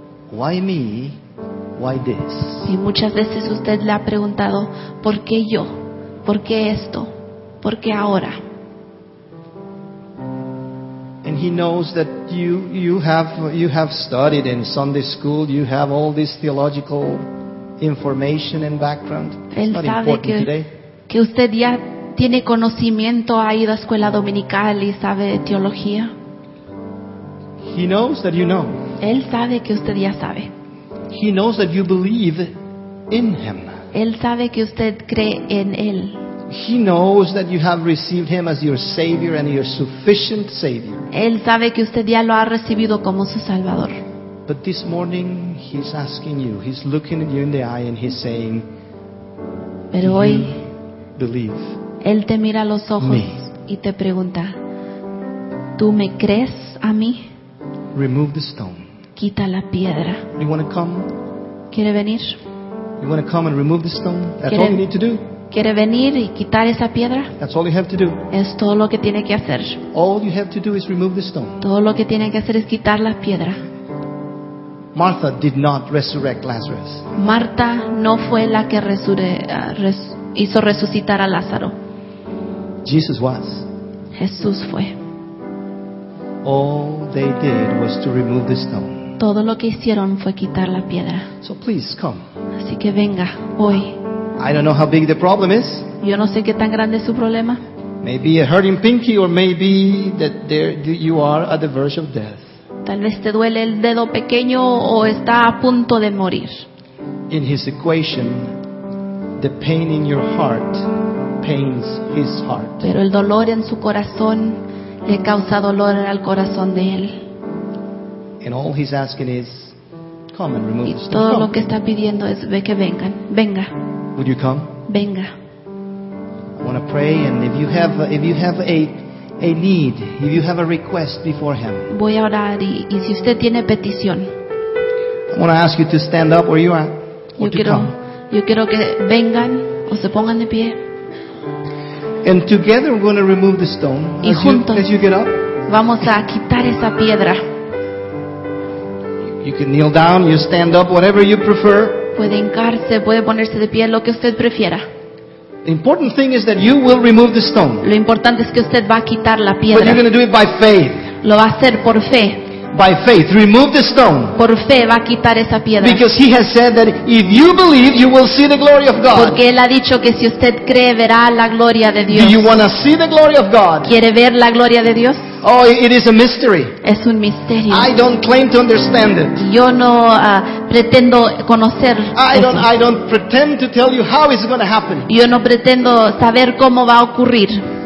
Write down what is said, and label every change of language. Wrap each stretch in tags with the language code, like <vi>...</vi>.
<en>Why me? Why this?"</en> <es>Y muchas veces usted le ha preguntado, ¿por qué yo? ¿Por qué esto? ¿Por qué ahora?</es> <en>And he knows that you have studied in Sunday school, you have all this theological information and background. It's not important today.</en> <es>Que usted ya tiene conocimiento, ha ido a escuela dominical y sabe de teología.</es> <en>He knows that you know.</en> <es>Él sabe que usted ya sabe.</es> <en>He knows that you believe in him.</en> <es>Él sabe que usted cree en él.</es> <en>He knows that you have received him as your savior and your sufficient savior.</en> <es>Él sabe que usted ya lo ha recibido como su salvador.</es> <en>But this morning he's asking you, he's looking at you in the eye and he's saying,</en> <es>pero hoy,</es> <en>believe.</en> <es>Él te mira a los ojos</es> <en>me.</en> <es>Y te pregunta, ¿tú me crees a mí?</es> <en>Remove the stone.</en> <es>Quita la piedra.</es> <en>You want to come?</en> <es>¿Quiere venir?</es> <en>You want to come and remove the stone? That's all you need to do.</en> <es>¿Quiere venir y quitar esa piedra?</es> <en>That's all you have to do.</en> <es>Es todo lo que tiene que hacer.</es> <en>All you have to do is remove the stone.</en> <es>Todo lo que tiene que hacer es quitar la piedra.</es> <en>Martha did not resurrect Lazarus.</en> <es>Marta no fue la que hizo resucitar a Lázaro.</es> <en>Jesus was.</en> <es>Jesús fue.</es> <en>All they did was to remove the stone.</en> <es>Todo lo que hicieron fue quitar la piedra.</es> <en>So please come.</en> <es>Así que venga hoy.</es> <en>I don't know how big the problem is.</en> <es>Yo no sé qué tan grande es su problema.</es> <en>Maybe a hurting pinky, or maybe that you are at the verge of death.</en> <es>Tal vez te duele el dedo pequeño o está a punto de morir.</es> <en>In his equation, the pain in your heart pains his heart.</en> <es>Pero el dolor en su corazón le causa dolor al corazón de él.</es> <en>And all he's asking is, come and remove the stone.</en> <es>Y todo lo que está pidiendo es ve que vengan, venga.</es> <en>Would you come?</en> <es>Venga.</es> <en>I want to pray, and if you have a need, if you have a request before him.</en> <es>Voy a orar y si usted tiene petición.</es> <en>I want to ask you to stand up where you are.</en> <es>Yo quiero que vengan o se pongan de pie.</es> <en>And together we're going to remove the stone.</en> <es>Y as juntos.</es> <en>You get up.</en> <es>Vamos a quitar esa piedra.</es> <en>You can kneel down, you stand up, whatever you prefer.</en> <es>Puede hincarse, puede ponerse de pie, lo que usted prefiera.</es> <en>The important thing is that you will remove the stone.</en> <es>Lo importante es que usted va a quitar la piedra.</es> <en>But you're going to do it by faith.</en> <es>Lo va a hacer por fe.</es> <en>By faith, remove the stone.</en> <es>Por fe va a quitar esa piedra.</es> <en>Because he has said that if you believe, you will see the glory of God.</en> <es>Porque él ha dicho que si usted cree, verá la gloria de Dios.</es> <en>Do you want to see the glory of God?</en> <es>¿Quiere ver la gloria de Dios?</es> <en>Oh, it is a mystery.</en> <es>Es un misterio.</es> <en>I don't claim to understand it.</en> <es>Yo no pretendo conocer.</es> <en>I don't pretend to tell you how it's going to happen.</en> <es>Yo no pretendo saber cómo va a ocurrir.</es>